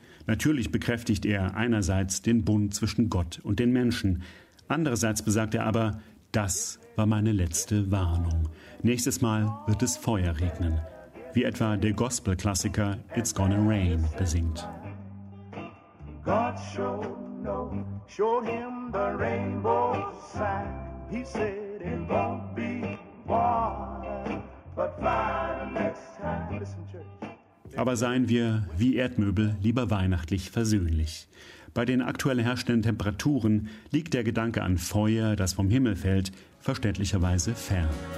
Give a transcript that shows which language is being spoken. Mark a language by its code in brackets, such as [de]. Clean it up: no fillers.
[de] Natürlich bekräftigt er einerseits den Bund zwischen Gott und den Menschen. Andererseits besagt er aber, das war meine letzte Warnung. Nächstes Mal wird es Feuer regnen. Wie etwa der Gospel-Klassiker It's Gonna Rain besingt. [en] God showed Noah, showed him the rainbow sign. He said it won't be water, but fly the next time. Listen, church. [de] Aber seien wir, wie Erdmöbel, lieber weihnachtlich versöhnlich. Bei den aktuell herrschenden Temperaturen liegt der Gedanke an Feuer, das vom Himmel fällt, verständlicherweise fern.